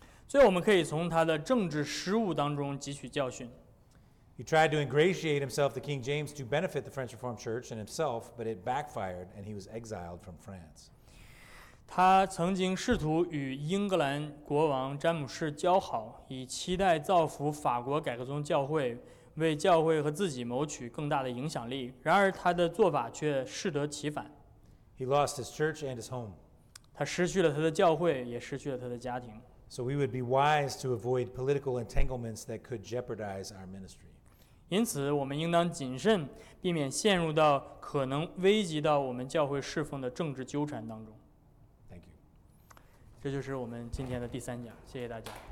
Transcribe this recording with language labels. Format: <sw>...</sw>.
<zh>所以我们可以从他的政治失误当中汲取教训。</zh> <en>He tried to ingratiate himself to King James to benefit the French Reformed Church and himself, but it backfired and he was exiled from France.</en> <zh>他曾经试图与英格兰国王詹姆士交好，以期待造福法国改革宗教会，为教会和自己谋取更大的影响力。然而他的做法却适得其反。</zh> <en>He lost his church and his home.</en> <zh>他失去了他的教会，也失去了他的家庭。</zh> <en>So we would be wise to avoid political entanglements that could jeopardize our ministry.</en> <zh>因此我们应当谨慎，避免陷入到可能危及到我们教会侍奉的政治纠缠当中。</zh> <en>Thank you.</en> <zh>这就是我们今天的第三讲，谢谢大家。</zh>